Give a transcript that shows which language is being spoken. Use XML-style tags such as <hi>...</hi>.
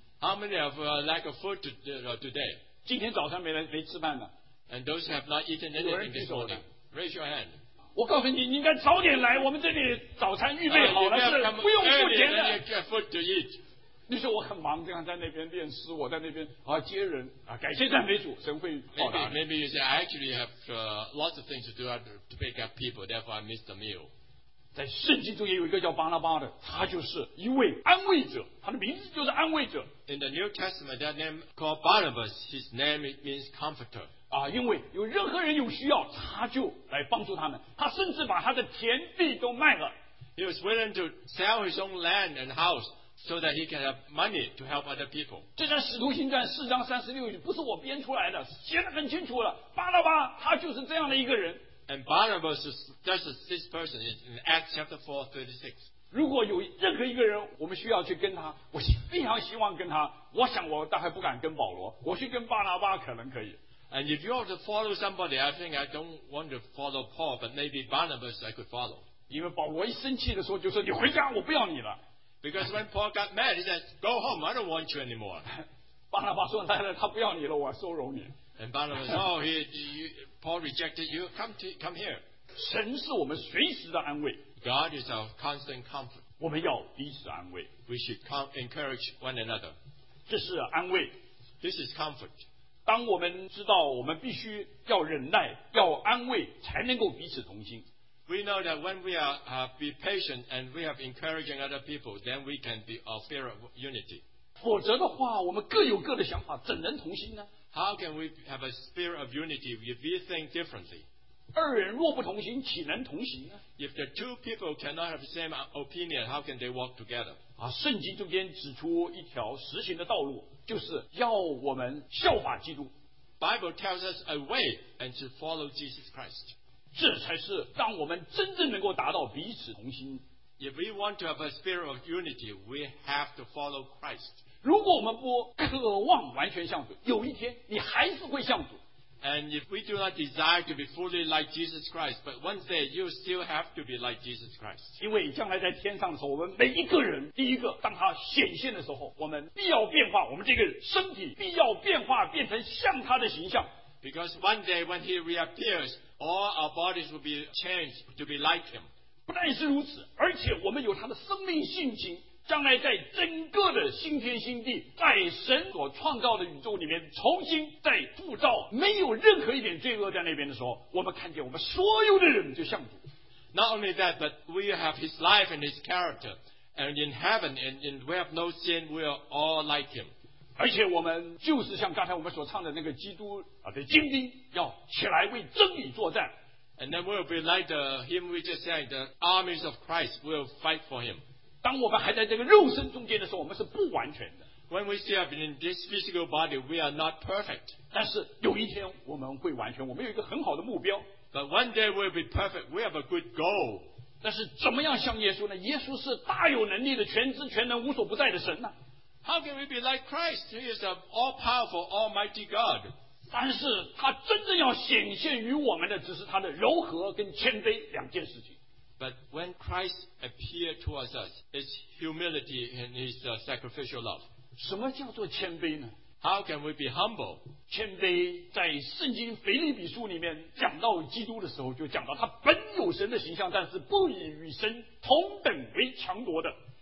<en>How many have a lack of food today?</en> <zh>今天早上没吃饭呢。</zh> <en>And those who have not eaten anything this morning, raise your hand.</en> <zh>我告诉你，你应该早点来，我们这里早餐预备好了，是不用付钱的。</zh> <en>You get food to eat.</en> <zh>你说我很忙，这样在那边练诗，我在那边啊接人啊，感谢赞美主，神会报答。</zh> <en>Maybe you say I actually have lots of things to do to pick up people, therefore I missed the meal.</en> <zh>在圣经中也有一个叫巴拉巴的，他就是一位安慰者，他的名字就是安慰者。</zh> <en>In the New Testament, that name called Barnabas, his name means comforter.</en> <zh>啊，因为有任何人有需要，他就来帮助他们。他甚至把他的田地都卖了。</zh> <en>He was willing to sell his own land and house so that he can have money to help other people.</en> <zh>这在《使徒行传》四章三十六节，不是我编出来的，写得很清楚了。巴拉巴他就是这样的一个人。</zh> <en>And Barnabas is just this person in Acts chapter 4:36.</en> <zh>如果有任何一个人，我们需要去跟他，我非常希望跟他。我想我大概不敢跟保罗，我去跟巴拿巴可能可以。</zh> <en>And if you want to follow somebody, I think I don't want to follow Paul, but maybe Barnabas I could follow.</en> <zh>因为保罗一生气的时候就说：“你回家，我不要你了。”</zh> <en>Because when Paul got mad, he said, "Go home, I don't want you anymore."</en> <zh>巴拿巴说：“来了，他不要你了，我收容你。”</zh> <en>And Barnabas, "Oh, Paul rejected you. Come here."</en> <zh>神是我们随时的安慰。</zh> <en>God is our constant comfort.</en> <zh>我们要彼此安慰。</zh> <en>We should encourage one another.</en> <zh>这是安慰。</zh> <en>This is comfort.</en> <zh>当我们知道我们必须要忍耐，要安慰，才能够彼此同心。</zh> <en>We know that when we are be patient and we have encouraging other people, then we can be a spirit of unity.</en> <zh>否则的话，我们各有各的想法，怎能同心呢？</zh> <en>How can we have a spirit of unity if we think differently?</en> <zh>二人若不同行，岂能同行呢？</zh> <en>If the two people cannot have the same opinion, how can they walk together?</en> <zh>啊，圣经中间指出一条实行的道路，就是要我们效法基督。</zh> <en>Bible tells us a way and to follow Jesus Christ.</en> <zh>这才是让我们真正能够达到彼此同心。</zh> <en>If we want to have a spirit of unity, we have to follow Christ.</en> <zh>如果我们不渴望完全像主，有一天你还是会像主。</zh> <en>And if we do not desire to be fully like Jesus Christ, but one day you still have to be like Jesus Christ.</en> <zh>因为将来在天上的时候，我们每一个人，第一个，当他显现的时候，我们必要变化，我们这个身体必要变化，变成像他的形象。</zh> <en>Because one day when he reappears, all our bodies will be changed to be like him.</en> <zh>不但是如此，而且我们有他的生命性情。将来在整个的新天新地，在神所创造的宇宙里面重新再铸造，没有任何一点罪恶在那边的时候，我们看见我们所有的人就像主。</zh> <en>Not only that, but we have His life and His character, and in heaven and in we have no sin, we are all like Him.</en> <zh>而且我们就是像刚才我们所唱的那个基督的精兵，要起来为真理作战。</zh> <en>And then we'll be like the hymn we just sang, the armies of Christ will fight for Him.</en> <zh>当我们还在这个肉身中间的时候，我们是不完全的。</zh> <en>When we still have in this physical body, we are not perfect.</en> <zh>但是有一天我们会完全，我们有一个很好的目标。</zh> <en>But one day we'll be perfect. We have a good goal.</en> <zh>但是怎么样像耶稣呢？耶稣是大有能力的、全知全能、无所不在的神呢、啊、</zh> <en>？How can we be like Christ? He is an all-powerful, almighty God.</en> <zh>但是他真正要显现于我们的，只是他的柔和跟谦卑两件事情。</zh> <en>But when Christ appeared towards us, it's humility and His sacrificial love.</en> <zh>什么叫做谦卑呢？</zh> <en>How can we be humble?</en> <zh>谦卑在圣经腓立比书里面讲到基督的时候，就讲到他本有神的形象，但是不以与神同等为强夺的。</zh>